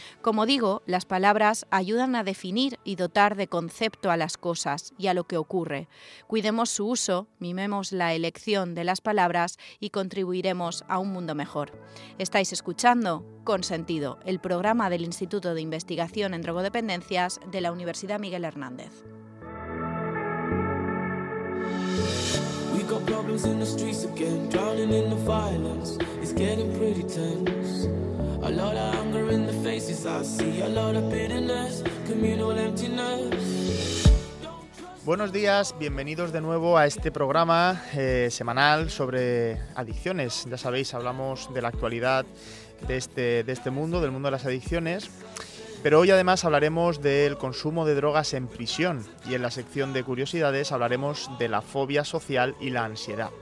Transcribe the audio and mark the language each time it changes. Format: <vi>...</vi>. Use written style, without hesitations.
<es>Como digo, las palabras ayudan a definir y dotar de concepto a las cosas y a lo que ocurre. Cuidemos su uso, mimemos la elección de las palabras y contribuiremos a un mundo mejor. Estáis escuchando Consentido, el programa del Instituto de Investigación en Drogodependencias de la Universidad Miguel Hernández.</es> <en>We got problems in the streets again, drowning in the violence. It's getting pretty tense. A lot of anger in the faces I see, a lot of bitterness, communal emptiness.</en> <es>Buenos días, bienvenidos de nuevo a este programa semanal sobre adicciones. Ya sabéis, hablamos de la actualidad de este mundo, del mundo de las adicciones. Pero hoy además hablaremos del consumo de drogas en prisión y en la sección de curiosidades hablaremos de la fobia social y la ansiedad.</es>